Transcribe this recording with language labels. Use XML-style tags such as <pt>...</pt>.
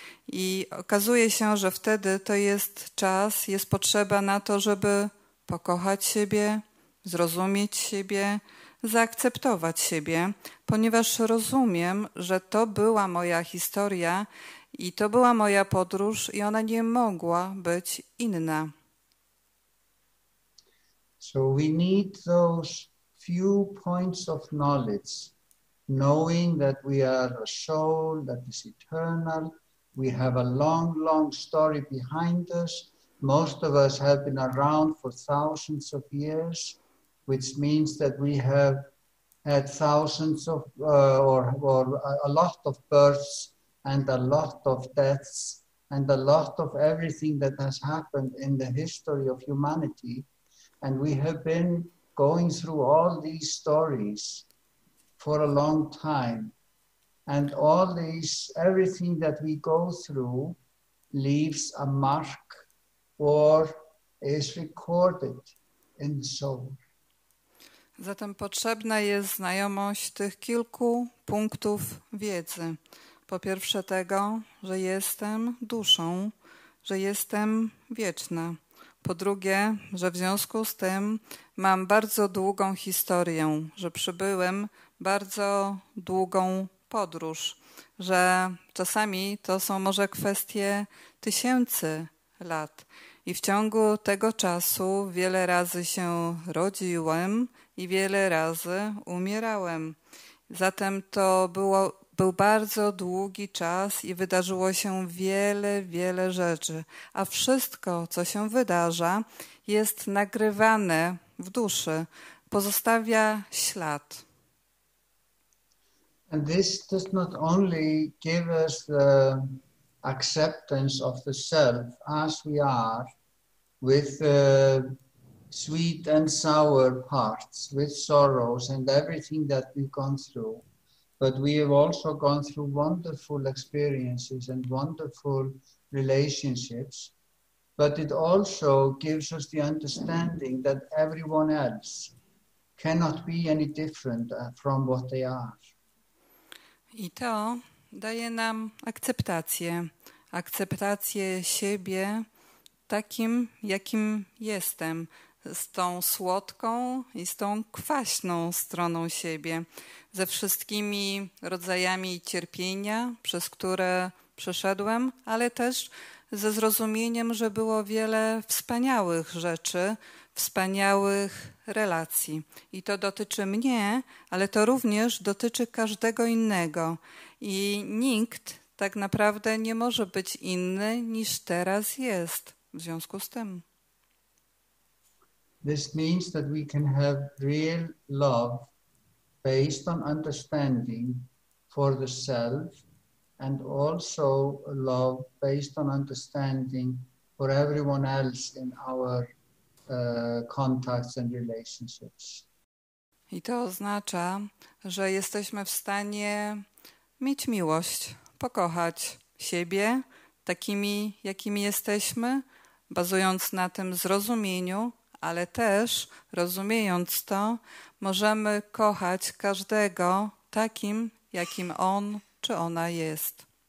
<pl>i okazuje się, że wtedy to jest czas, jest potrzeba na to, żeby pokochać siebie, zrozumieć siebie, zaakceptować siebie, ponieważ rozumiem, że to była moja historia i to była moja podróż i ona nie mogła być inna.</pl> <en>So we need those few points of knowledge, knowing that we are a soul that is eternal. We have a long, long story behind us. Most of us have been around for thousands of years, which means that we have had thousands of or a lot of births and a lot of deaths and a lot of everything that has happened in the history of humanity. And we have been going through all these stories for a long time. And all these, everything that we go through leaves a mark or is recorded in the soul.</en> <pl>Zatem potrzebna jest znajomość tych kilku punktów wiedzy. Po pierwsze tego, że jestem duszą, że jestem wieczna. Po drugie, że w związku z tym mam bardzo długą historię, że przybyłem bardzo długą podróż, że czasami to są może kwestie tysięcy lat. I w ciągu tego czasu wiele razy się rodziłem i wiele razy umierałem. Zatem to był bardzo długi czas i wydarzyło się wiele, wiele rzeczy. A wszystko, co się wydarza, jest nagrywane w duszy, pozostawia ślad.</pl> <en>And this does not only give us the acceptance of the self as we are, with the sweet and sour parts, with sorrows and everything that we've gone through. But we have also gone through wonderful experiences and wonderful relationships. But it also gives us the understanding that everyone else cannot be any different from what they are.</en> <pl>I to daje nam akceptację. Akceptację siebie takim, jakim jestem. Z tą słodką i z tą kwaśną stroną siebie. Ze wszystkimi rodzajami cierpienia, przez które przeszedłem, ale też ze zrozumieniem, że było wiele wspaniałych rzeczy, wspaniałych relacji. I to dotyczy mnie, ale to również dotyczy każdego innego. I nikt tak naprawdę nie może być inny niż teraz jest w związku z tym.</pl> <en>This means that we can have real love based on understanding for the self and also love based on understanding for everyone else in our contacts and relationships.</en> <pl>I to oznacza, że jesteśmy w stanie mieć miłość, pokochać siebie takimi, jakimi jesteśmy, bazując na tym zrozumieniu, ale też, rozumiejąc to, możemy kochać każdego takim, jakim on czy ona jest.</pl>